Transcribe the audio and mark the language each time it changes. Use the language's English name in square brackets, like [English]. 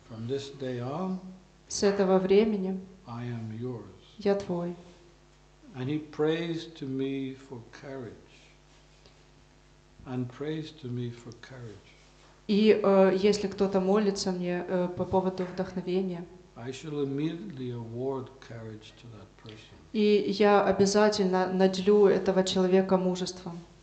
[English] from this day on, [Russian] с этого времени [English] I am yours. [Russian] Я твой. [English] And he prays to me for courage. And prays to me for courage. [Russian] И если кто-то молится мне по поводу вдохновения, [English] I shall immediately award courage to that person. [Russian] И я обязательно наделю этого человека мужеством.